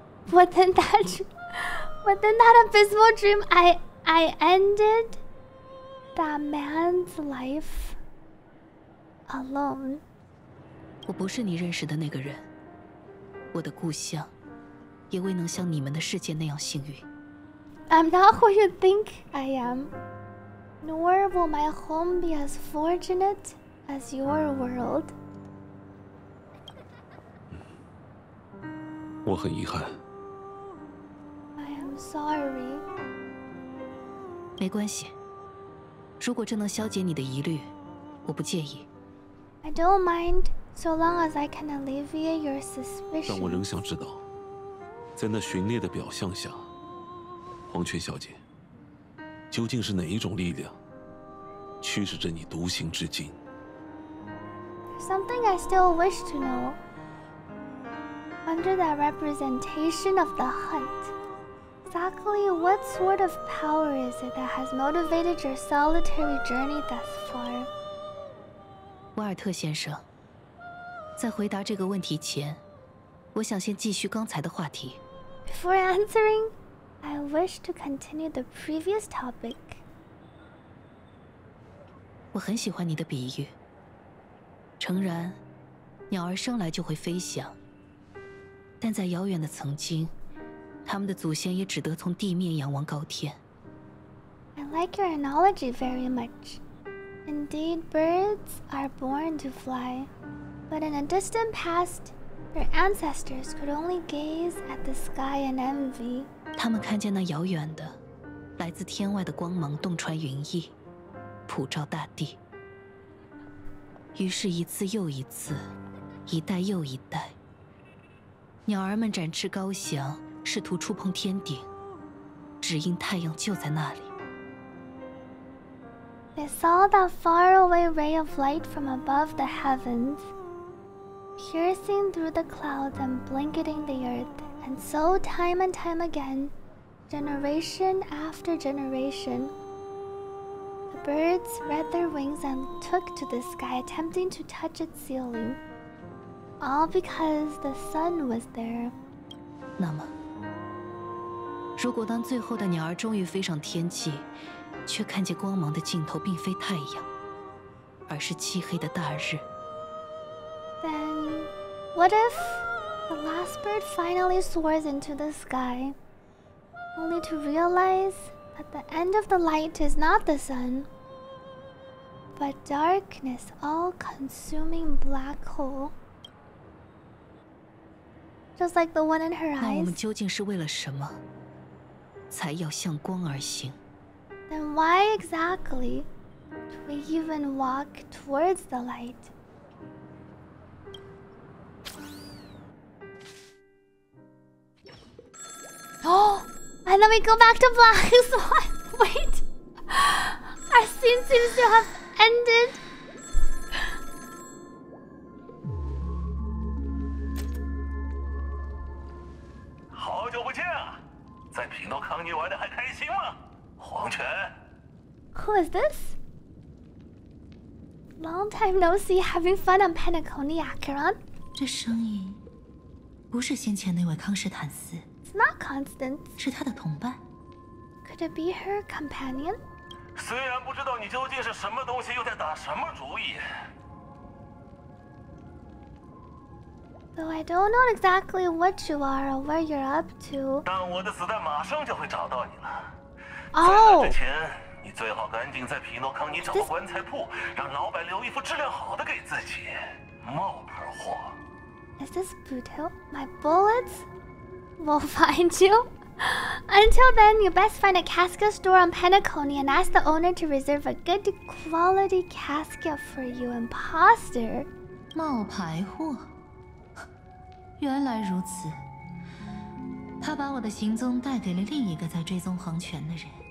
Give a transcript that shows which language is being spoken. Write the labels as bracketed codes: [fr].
[en] But then that abysmal dream I ended that man's life alone [zh] 我不是你认识的那个人我的故乡也未能像你们的世界那样幸运。 [en] I'm not who you think I am, nor will my home be as fortunate as your world. [zh] 我很遗憾。 [en] I am sorry. [zh] 没关系，如果这能消解你的疑虑，我不介意。 [en] I don't mind, so long as I can alleviate your suspicion. [zh] 但我仍想知道。在那巡猎的表象下，黄泉小姐，究竟是哪一种力量驱使着你独行至今 [en] ？Something I still wish to know. Under that representation of the hunt, exactly what sort of power is it that has motivated your solitary journey thus far? [zh] 沃尔特先生，在回答这个问题前，我想先继续刚才的话题。 [en] Before answering, I wish to continue the previous topic. [zh] 我很喜欢你的比喻。诚然，鸟儿生来就会飞翔。但在遥远的曾经，他们的祖先也只得从地面仰望高天。 [en] I like your analogy very much. Indeed, birds are born to fly, but in a distant past,Your ancestors could only gaze at the sky in envy. [zh] 他们看见那遥远的、来自天外的光芒洞穿云翳，普照大地。于是，一次又一次，一代又一代，鸟儿们展翅高翔，试图触碰天顶，只因太阳就在那里。 [en] They saw that faraway ray of light from above the heavens. Piercing through the clouds and blanketing the earth, and so time and time again, generation after generation, the birds spread their wings and took to the sky, attempting to touch its ceiling, all because the sun was there. [zh] 那么，如果当最后的鸟儿终于飞上天际，却看见光芒的尽头并非太阳，而是漆黑的大日。 [en] Then what if the last bird finally soars into the sky, only to realize that the end of the light is not the sun, but darkness, all-consuming black hole, just like the one in her eyes? [zh] 那我们究竟是为了什么才要向光而行？ [en] Then why exactly do we even walk towards the light? 哦 And then we go back to black swan. Wait. Our scene seems to have ended. Who is this? Long time no see, having fun on Pentacone, Acheron. This voice is not the voice of the previous Constance. It's not Constance. It's her companion. Could it be her companion? [zh] 虽然不知道你究竟是什么东西，又在打什么主意。 [en] Though I don't know exactly what you are or where you're up to. [zh] 但我的子弹马上就会找到你了。在那之前，你最好赶紧在皮诺康尼找个棺材铺，让老板留一副质量好的给自己。冒牌货。 [en] Is this Butil? My bullets will find you. Until then, you best find a casket store on Pentacone and ask the owner to reserve a good quality casket for you, imposter. [zh] 冒牌货。原来如此，他把我的行踪带给了另一个在追踪黄泉的人。